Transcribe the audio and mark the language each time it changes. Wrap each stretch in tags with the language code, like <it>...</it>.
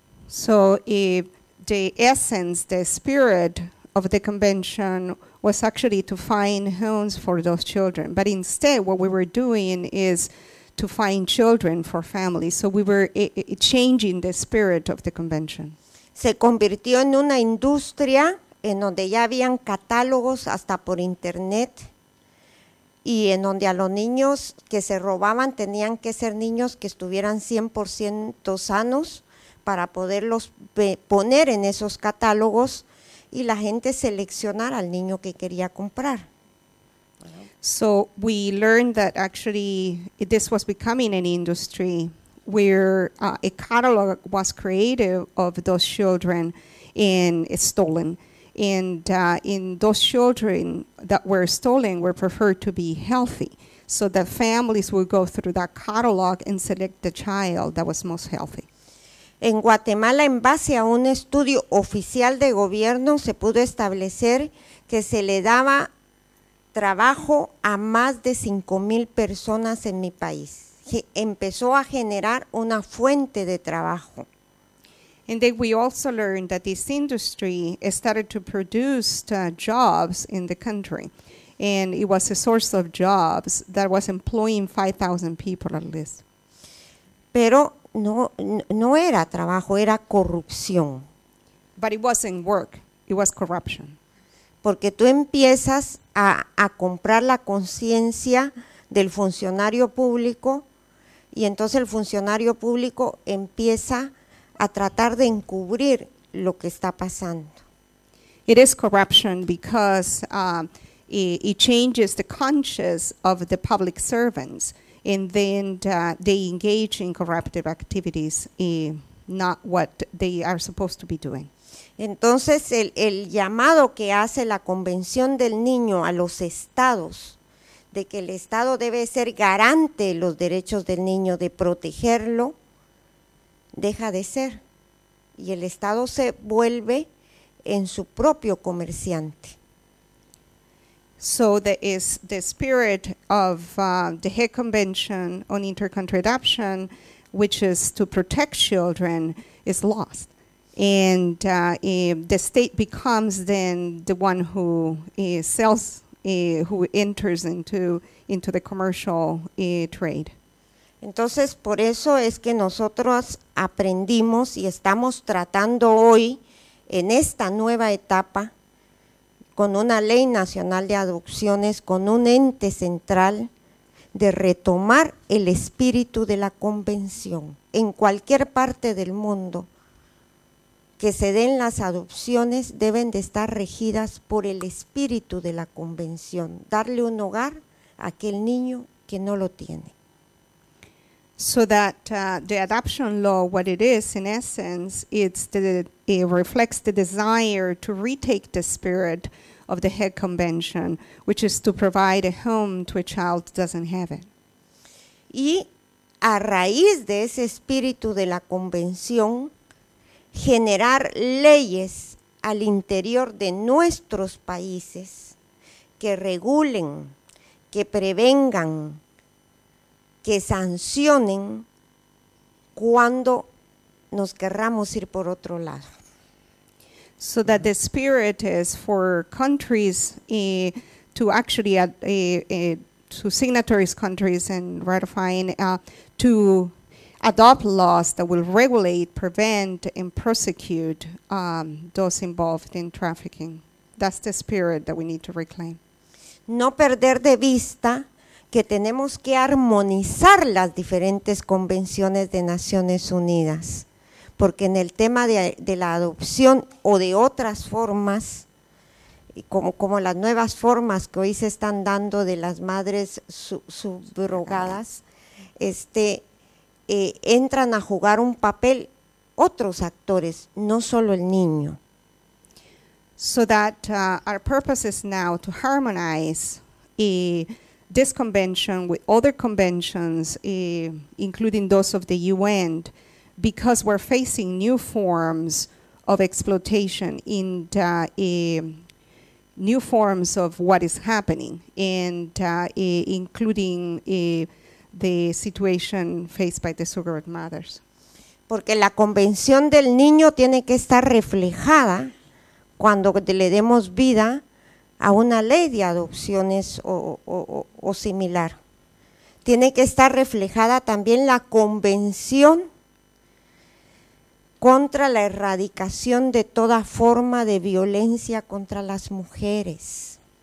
<en>So if the essence, the spirit of the convention was actually to find homes for those children. But instead, what we were doing is to find children for families. So we were changing the spirit of the convention.</en> <es>Se convirtió en una industria en donde ya habían catálogos hasta por internet y en donde a los niños que se robaban tenían que ser niños que estuvieran 100% sanos para poderlos poner en esos catálogos y la gente seleccionar al niño que quería comprar.</es> <en>So we learned that actually this was becoming an industry where a catalog was created of those children and stolen. And in those children that were stolen were preferred to be healthy, so the families would go through that catalog and select the child that was most healthy.</en> <es>En Guatemala, en base a un estudio oficial de gobierno, se pudo establecer que se le daba trabajo a más de 5,000 personas en mi país. Empezó a generar una fuente de trabajo.</es> <en>And then we also learned that this industry started to produce jobs in the country. And it was a source of jobs that was employing 5,000 people at least.</en> <es>Pero no era trabajo, era corrupción.</es> <en>But it wasn't work, it was corruption.</en> <es>Porque tú empiezas a comprar la conciencia del funcionario público y entonces el funcionario público empieza a tratar de encubrir lo que está pasando.</es> <en>It is corruption because it changes the conscience of the public servants. And then they engage in corruptive activities, not what they are supposed to be doing.</en> <es>Entonces, el llamado que hace la Convención del Niño a los estados, de que el Estado debe ser garante de los derechos del niño, de protegerlo, deja de ser. Y el Estado se vuelve en su propio comerciante.</es> <en>So there is the spirit of the Hague Convention on Intercountry Adoption, which is to protect children, is lost. And the state becomes then the one who sells, who enters into the commercial trade.</en> <es>Entonces, por eso es que nosotros aprendimos y estamos tratando hoy en esta nueva etapa con una ley nacional de adopciones, con un ente central de retomar el espíritu de la convención en cualquier parte del mundo. Que se den las adopciones deben de estar regidas por el espíritu de la convención, darle un hogar a aquel niño que no lo tiene.</es> <en>So that the adoption law, what it is in essence, it reflects the desire to retake the spirit of the Hague Convention, which is to provide a home to a child that doesn't have it.</en> <es>Y a raíz de ese espíritu de la convención, generar leyes al interior de nuestros países que regulen, que prevengan, que sancionen cuando nos querramos ir por otro lado.</es> <en>So that the spirit is for countries to actually to signatories countries and ratifying to adopt laws that will regulate, prevent, and prosecute those involved in trafficking. That's the spirit that we need to reclaim.</en> <es>No perder de vista que tenemos que armonizar las diferentes convenciones de Naciones Unidas, porque en el tema de la adopción o de otras formas, como las nuevas formas que hoy se están dando de las madres subrogadas, entran a jugar un papel otros actores, no solo el niño.</es> <en>So that our purpose is now to harmonize this convention with other conventions, including those of the UN, because we're facing new forms of exploitation in new forms of what is happening, and including the situation faced by the surrogate mothers.</en> <es>Porque la convención del niño tiene que estar reflejada cuando le demos vida a una ley de adopciones o similar. Tiene que estar reflejada también la convención contra la erradicación de toda forma de violencia contra las mujeres.</es>